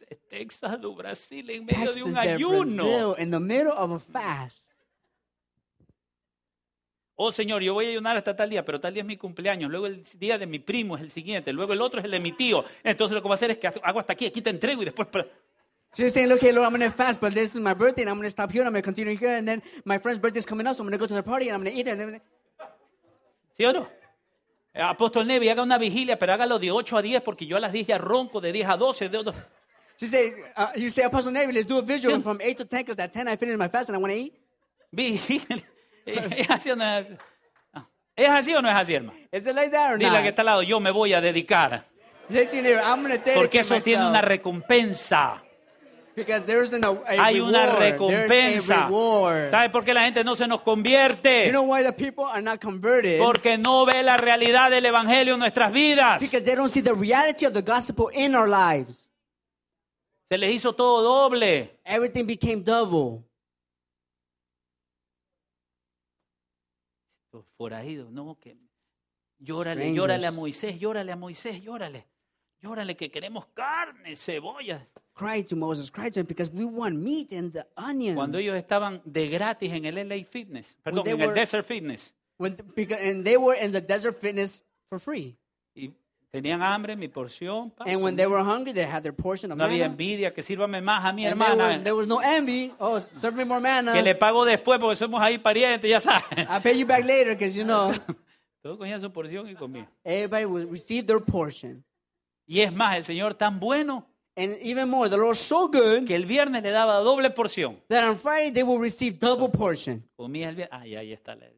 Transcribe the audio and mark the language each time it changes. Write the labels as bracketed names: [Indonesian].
[Spanish] Texas, Brasil, en medio Texas de un ayuno. [English] Brazil, in the middle of a fast. [Spanish] Oh, Señor, yo voy a ayunar hasta tal día, pero tal día es mi cumpleaños. Luego el día de mi primo es el siguiente. Luego el otro es el de mi tío. Entonces lo que voy a hacer es que hago hasta aquí. Aquí te entrego y después... [English] So you're saying, okay, Lord, I'm going to fast, but this is my birthday, and I'm going to stop here, and I'm going to continue here, and then my friend's birthday is coming up, so I'm going to go to the party, and I'm going to eat it. And [Spanish] ¿sí o no? Apóstol Nevi, haga una vigilia, pero hágalo de 8 a 10, porque yo a las 10 ya ronco, de 10 a 12. De... [English] You say, Apostle Nevi, let's do a visual [Spanish] ¿sí? [English] From 8 to 10, because at 10 I finish my fast, and I want to eat. [Spanish] Vigilia. ¿Es así o no es así? ¿Es así o no es así, hermano? [English] Is it like that or not? [Spanish] Dile que está al lado, yo me voy a dedicar. Porque eso tiene una recompensa. [English] Because there's an, a [Spanish] hay [English] reward. [Spanish] Una recompensa. ¿Sabes por qué la gente no se nos convierte? [English] You know why the people are not converted? [Spanish] Porque no ve la realidad del evangelio en nuestras vidas. [English] Because they don't see the reality of the gospel in our lives. [Spanish] Se les hizo todo doble. [English] Everything became double. [Spanish] Forajidos, no, que llórale, strangers. Llórale a Moisés, llórale a Moisés, llórale. Llórale que queremos carne, cebollas. [English] Cry to Moses, cry to him, because we want meat and the onion. [Spanish] Cuando ellos estaban de gratis en el LA Fitness, perdón, en el Desert Fitness. [English] And they were in the Desert Fitness for free. [Spanish] Y tenían hambre, mi porción. [English] Pa, and when they were hungry, they had their portion of manna. [Spanish] No había envidia, que sírvame más a mi [English] and [Spanish] hermana. [English] There was no envy, oh, serve me more manna. [Spanish] Que le pago después, porque somos ahí parientes, ya sabes. [English] I pay you back later, because you know. [Spanish] Todos comían su porción y comían. [English] Everybody received their portion. [Spanish] Y es más, el Señor tan bueno. [English] And even more, the Lord so good [Spanish] que el viernes le daba doble porción. [English] That on Friday they will receive double portion. [Spanish] Comía el viernes. Ah, ya, ahí está la